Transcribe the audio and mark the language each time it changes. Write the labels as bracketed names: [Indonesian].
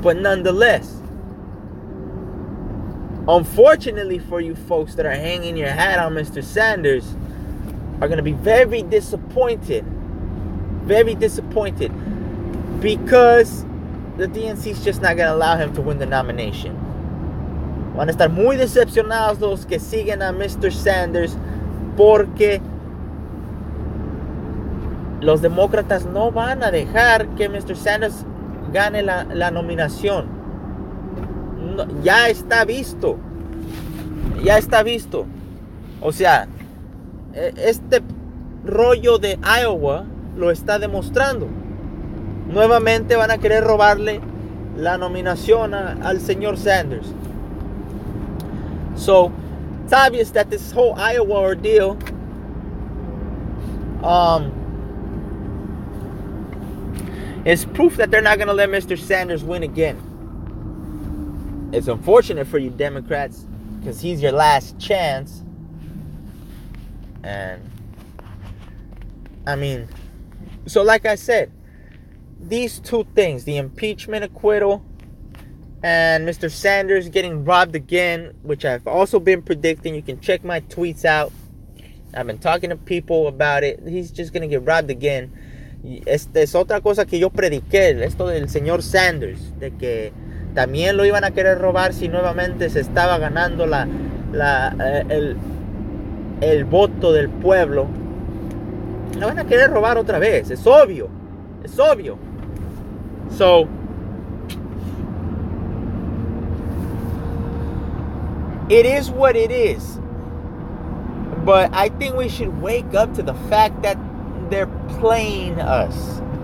[English] But nonetheless, unfortunately for you folks that are hanging your hat on Mr. Sanders, are going to be very disappointed. Very disappointed. Because the DNC is just not going to allow him to win the nomination. [Spanish] Van a estar muy decepcionados los que siguen a Mr. Sanders porque los demócratas no van a dejar que Mr. Sanders gane la nominación. No, ya está visto. Ya está visto. O sea, este rollo de Iowa lo está demostrando. Nuevamente van a querer robarle la nominación al señor Sanders. [English] So, it's obvious that this whole Iowa ordeal is proof that they're not going to let Mr. Sanders win again. It's unfortunate for you Democrats, because he's your last chance. And, I mean, so like I said, these two things, the impeachment acquittal, and Mr. Sanders getting robbed again, which I've also been predicting. You can check my tweets out. I've been talking to people about it. He's just going to get robbed again. [Spanish] Es otra cosa que yo prediqué. Esto del señor Sanders. De que también lo iban a querer robar si nuevamente se estaba ganando el voto del pueblo. Lo van a querer robar otra vez. Es obvio. Es obvio. [English] So, it is what it is, but I think we should wake up to the fact that they're playing us.